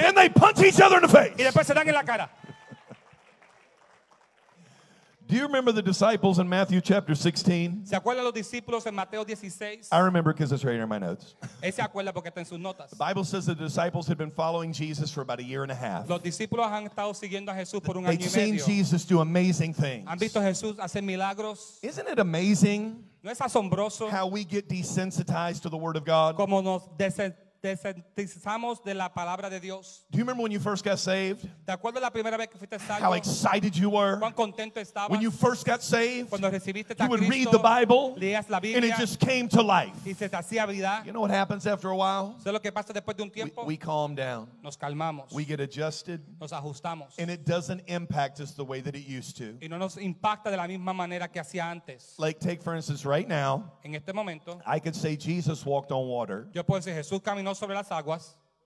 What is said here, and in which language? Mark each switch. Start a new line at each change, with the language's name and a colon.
English: then they punch each other in the face.
Spanish: Y después se dan en la cara.
English: Do you remember the disciples in Matthew chapter 16?
Spanish: ¿Se acuerdan los discípulos en Mateo 16?
English: I remember because it's right here in my notes.
Spanish: Ese acuerda porque está en sus notas.
English: The Bible says the disciples had been following Jesus for about a year and a half.
Spanish: Los discípulos han estado siguiendo a Jesús por un año y medio.
English: They'd seen Jesus do amazing things.
Spanish: Han visto a Jesús hacer milagros.
English: Isn't it amazing
Spanish: ¿no es asombroso
English: how we get desensitized to the Word of God?
Spanish: Como nos desestimamos de la palabra de Dios.
English: Do you remember when you first got saved?
Spanish: ¿Te acuerdas la primera vez que fuiste salvo?
English: How excited you were.
Spanish: ¿Cuán contento estabas?
English: When you first got saved,
Spanish: cuando recibiste a Cristo,
English: you would read the Bible,
Spanish: leías la Biblia,
English: and it just came to life.
Spanish: Y se te hacía vida.
English: You know what happens after a while?
Spanish: ¿Sabes lo que pasa después de un tiempo?
English: We calm down.
Spanish: Nos calmamos.
English: We get adjusted.
Spanish: Nos ajustamos.
English: And it doesn't impact us the way that it used to.
Spanish: Y no nos impacta de la misma manera que hacía antes.
English: Like take for instance right now,
Spanish: en este momento,
English: I could say Jesus walked on water.
Spanish: Yo puedo decir Jesús caminó sobre las aguas.